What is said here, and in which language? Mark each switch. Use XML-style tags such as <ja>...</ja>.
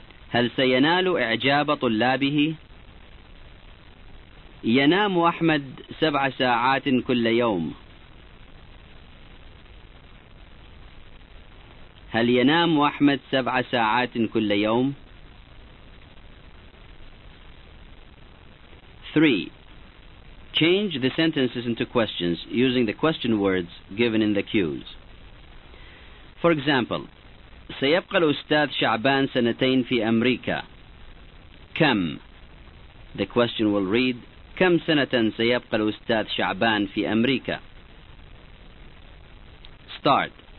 <ar>هل سينال إعجاب طلابه؟ ينام أحمد 7 ساعات كل يوم. هل ينام أحمد 7 ساعات كل يوم؟ 3.</ar> <en>Change the sentences into questions using the question words given in the cues. For example,</en> <ar>سيبقى الأستاذ شعبان سنتين في أمريكا. كم؟</ar> <en>The question will read,</en> <ar>كم سنة سيبقى الأستاذ شعبان في أمريكا؟</ar> <en>Start.</en>